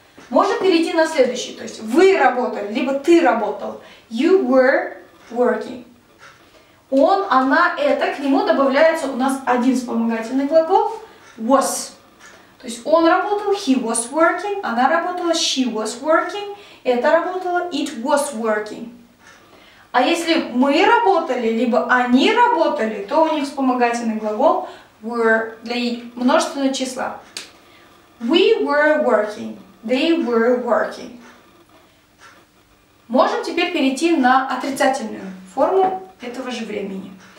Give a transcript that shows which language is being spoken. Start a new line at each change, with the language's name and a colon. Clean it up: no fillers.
Russian: Можно перейти на следующий. То есть вы работали, либо ты работал.
English: You were working.
Russian: Он, она, это. К нему добавляется у нас один вспомогательный глагол.
English: Was.
Russian: То есть он работал,
English: he was working.
Russian: Она работала,
English: she was working.
Russian: Это работало,
English: it was working.
Russian: А если мы работали, либо они работали, то у них вспомогательный глагол were для множественного числа.
English: We were working. They were working.
Russian: Можем теперь перейти на отрицательную форму этого же времени.